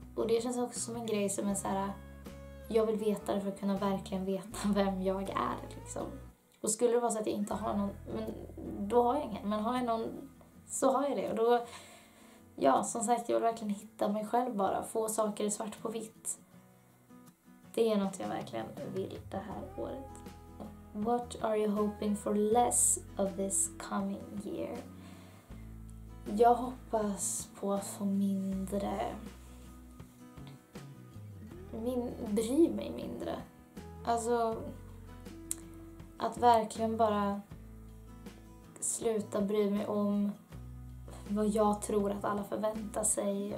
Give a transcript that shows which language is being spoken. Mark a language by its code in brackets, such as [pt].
[sv] Och det känns också som en grej som är så här, jag vill veta det för att kunna verkligen veta vem jag är liksom. Och skulle det vara så att jag inte har någon, men då har jag ingen. Men har jag någon så har jag det. Och då, ja som sagt, jag vill verkligen hitta mig själv bara. Få saker svart på vitt. Det är något jag verkligen vill det här året. [en] What are you hoping for less of this coming year? [sv] Jag hoppas på att få mindre. Bry mig mindre. Alltså, att verkligen bara sluta bry mig om vad jag tror att alla förväntar sig.